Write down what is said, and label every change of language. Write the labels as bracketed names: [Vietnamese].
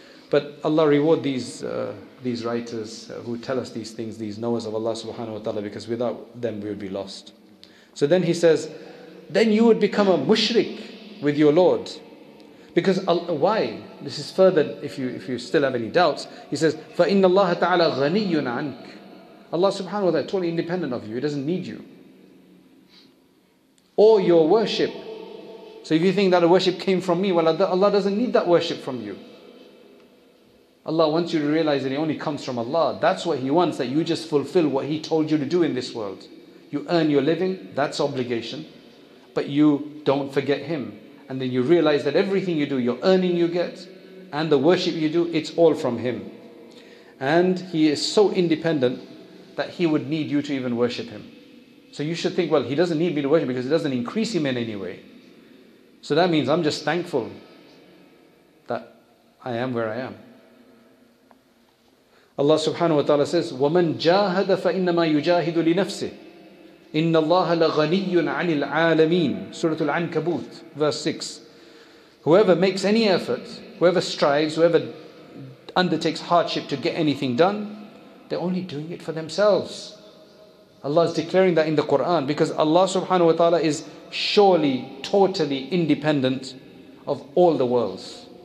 [English] But Allah reward these writers who tell us these things, these knowers of Allah subhanahu wa ta'ala, because without them we would be lost. So then he says, then you would become a mushrik with your Lord. Because why? This is further, if you still have any doubts. He says, [Arabic] فَإِنَّ اللَّهَ تَعَالَى غَنِيٌّ عَنْكَ. [English] Allah subhanahu wa ta'ala totally independent of you. He doesn't need you. Or your worship. So if you think that a worship came from me, well, Allah doesn't need that worship from you. Allah wants you to realize that it only comes from Allah. That's what He wants, that you just fulfill what He told you to do in this world. You earn your living, that's obligation. But you don't forget Him. And then you realize that everything you do, your earning you get, and the worship you do, it's all from Him. And He is so independent that He would need you to even worship Him. So you should think, well, He doesn't need me to worship because it doesn't increase Him in any way. So that means I'm just thankful that I am where I am. Allah subhanahu wa ta'ala says, [Arabic] وَمَنْ جَاهَدَ فَإِنَّمَا يُجَاهِدُ لِنَفْسِهِ إِنَّ اللَّهَ لَغَنِيٌّ عَنِ الْعَالَمِينَ. [English] Surah Al-Ankabut, verse 6. Whoever makes any effort, whoever strives, whoever undertakes hardship to get anything done, they're only doing it for themselves. Allah is declaring that in the Quran, because Allah subhanahu wa ta'ala is surely, totally independent of all the worlds.